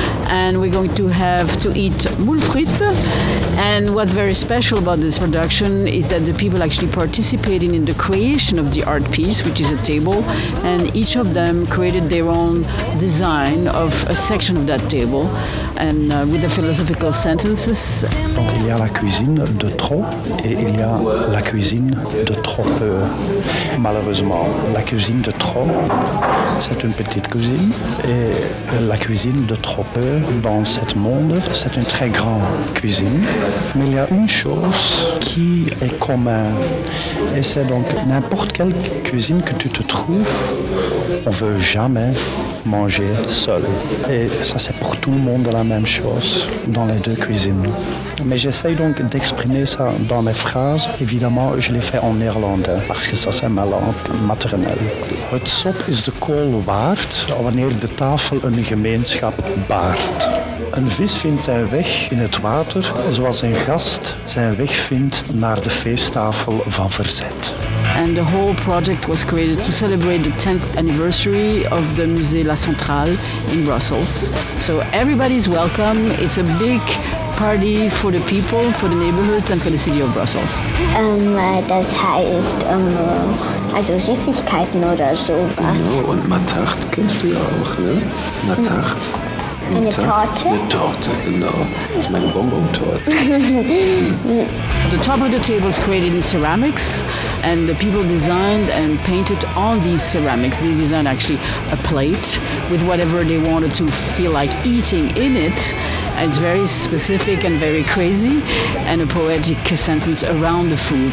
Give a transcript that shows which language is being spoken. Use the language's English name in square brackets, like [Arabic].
[English] And we're going to have to eat moules frites. And what's very special about this production is that the people actually participating in the creation of the art piece, which is a table, and each of them created their own design of a section of that table and with the philosophical sentences. [French] Donc il y a la cuisine de trop et il y a la cuisine de trop peu. Malheureusement, la cuisine de trop, c'est une petite cuisine, et la cuisine de trop peu dans ce monde, c'est une très grande cuisine. Mais il y a une chose qui est commune, et c'est donc n'importe quelle cuisine que tu te trouves, on ne veut jamais manger seul. Et ça, c'est pour tout le monde la même chose dans les deux cuisines. Mais j'essaye donc d'exprimer ça dans mes phrases. Évidemment, je l'ai fait en néerlandais parce que ça, c'est ma langue maternelle. [Dutch] Het sop is de kool waard wanneer de tafel een gemeenschap baart. Een vis vindt zijn weg in het water zoals een gast zijn weg vindt naar de feesttafel van verzet. [English] And the whole project was created to celebrate the 10th anniversary of the Musée La Centrale in Brussels. So everybody's welcome. It's a big party for the people, for the neighborhood and for the city of Brussels. [German] Das heißt, also Süßigkeiten oder sowas. Ja, und Matart kennst du ja auch, ne? Matart. Eine Torte, genau. Das ist meine Bonbon-Torte. [English] The top of the table is created in ceramics, and the people designed and painted on these ceramics. They designed actually a plate with whatever they wanted to feel like eating in it. And it's very specific and very crazy, and a poetic sentence around the food.